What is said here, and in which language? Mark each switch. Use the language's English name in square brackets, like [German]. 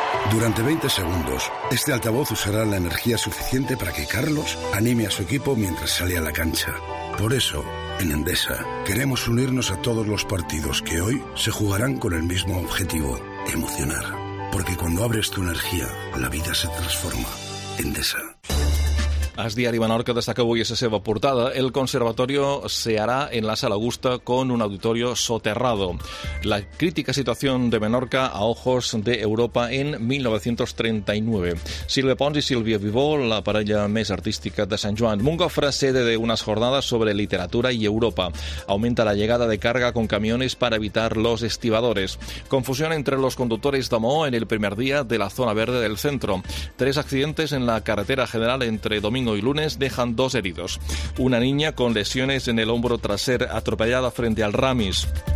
[Spanish] Durante 20 segundos, este altavoz usará la energía suficiente para que Carlos anime a su equipo mientras sale a la cancha. Por eso, en Endesa, queremos unirnos a todos los partidos que hoy se jugarán con el mismo objetivo, emocionar. Porque cuando abres tu energía, la vida se transforma. Endesa. [Catalan] El diari Menorca destaca avui a la seva portada. [Spanish] El conservatorio se hará en la Sala Augusta con un auditorio soterrado. La crítica situación de Menorca a ojos de Europa en 1939. [Catalan] Silvia Pons i Silvia Vivó, la parella més artística de Sant Joan. [Spanish] Mungofra, sede de unas jornadas sobre literatura y Europa. Aumenta la llegada de carga con camiones para evitar los estibadores. Confusión entre los conductores de Moho en el primer día de la zona verde del centro. Tres accidentes en la carretera general entre domingo y lunes dejan dos heridos. Una niña con lesiones en el hombro tras ser atropellada frente al Ramis.